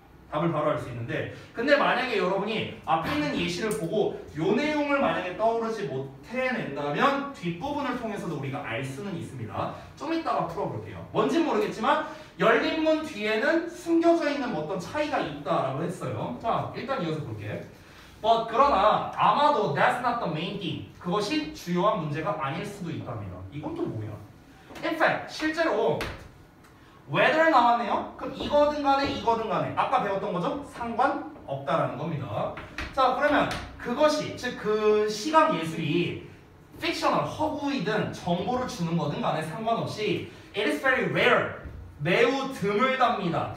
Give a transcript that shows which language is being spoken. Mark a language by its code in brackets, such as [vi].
[ko] 답을 바로 알 수 있는데, 근데 만약에 여러분이 앞에 있는 예시를 보고 요 내용을 만약에 떠오르지 못해낸다면 뒷부분을 통해서도 우리가 알 수는 있습니다. 좀 이따가 풀어볼게요. 뭔진 모르겠지만 열린 문 뒤에는 숨겨져 있는 어떤 차이가 있다라고 했어요. 자, 일단 이어서 볼게. [en] But [ko] 그러나 아마도 [en] that's not the main thing. [ko] 그것이 주요한 문제가 아닐 수도 있답니다. 이건 또 뭐야? [en] In fact, [ko] 실제로 whether 나왔네요? 그럼 이거든 간에 이거든 간에 아까 배웠던 거죠? 상관없다라는 겁니다. 자, 그러면 그것이, 즉 그 시각 예술이 fictional, 허구이든 정보를 주는 거든 간에 상관없이 [en] it is very rare, [ko] 매우 드물답니다.